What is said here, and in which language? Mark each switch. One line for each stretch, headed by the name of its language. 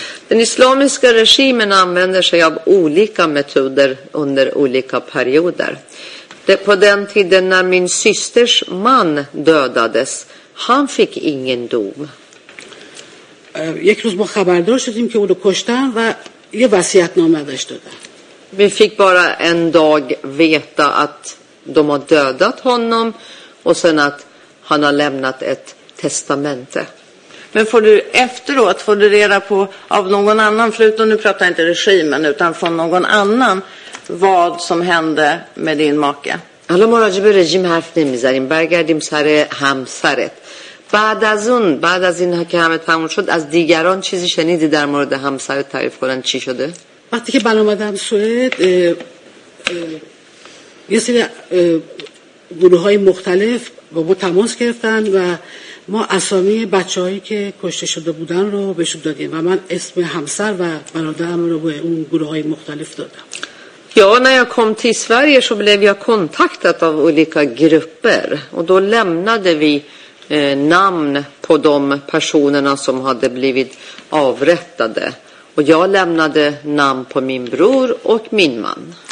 Swedish: Den islamiska regimen använder sig av olika metoder under olika perioder. På den tiden när min systers man dödades, han fick ingen dom.
Persian: یک روز ما خبردار شدیم که اونو کشتن و یه وصیت‌نامه داشت دادن.
Swedish: Vi fick bara en dag veta att de har dödat honom och sen att han har lämnat ett testamente. Men får du efteråt får du reda på av någon annan förutom nu pratar inte regimen utan från någon annan vad som hände med din make?
Persian: حالا ما راجع به رژیم حرف نمیزنیم. برگردیم سر همسرت. بعد از اون بعد از این که همه تموم شد از دیگران چیزی شنیدی در مورد همسر تعریف کردن چی شده؟ وقتی که من اومدم سوئد یه سری گروه های مختلف با ما تماس گرفتن و ما اسامی بچه‌هایی که کشته شده بودن رو بهشون دادیم و من اسم همسر و برادرم رو به اون گروه‌های مختلف دادم.
Swedish: Ja, när jag kom till Sverige så blev jag kontaktad av olika grupper och då lämnade vi namn på de personerna som hade blivit avrättade och jag lämnade namn på min bror och min man.